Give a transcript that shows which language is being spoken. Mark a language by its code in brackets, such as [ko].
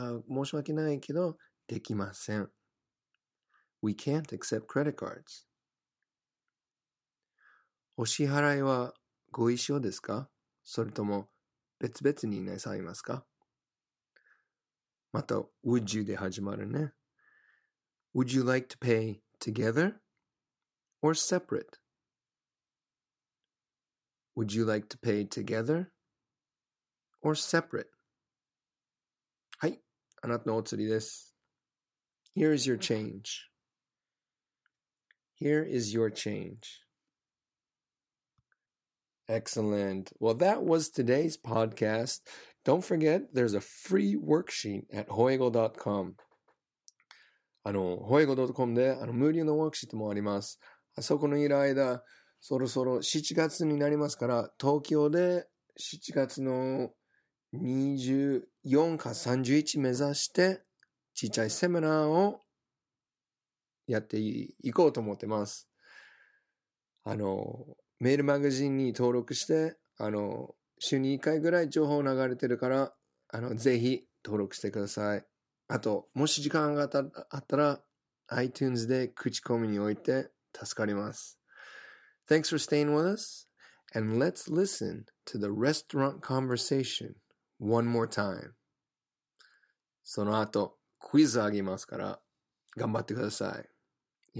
[ja] 申し訳ないけどできません。 [en] We can't accept credit cards. [ja] お支払いはご一緒ですか?それとも別々になさいますか? また、would you で始まるね。 [en] Would you like to pay together or separate? Would you like to pay together or separate? [ja] はい、あなたのお釣りです。 [en] Here is your change. Here is your change. Excellent. Well, that was today's podcast. Don't forget, there's a free worksheet at hoego.com. [ja] hoego.com であの無料のワークシートもあります。あそこのいる間、そろそろ7月になりますから、東京で7月の24か31目指して、ちっちゃいセミナーをやっていこうと思ってます。あのメールマガジンに登録して、あの週に1回ぐらい情報流れてるから、あのぜひ登録してください。あともし時間があったら iTunes で口コミにおいて助かります。 [en] Thanks for staying with us and let's listen to the restaurant conversation one more time。 [ja] その後クイズあげますから頑張ってください。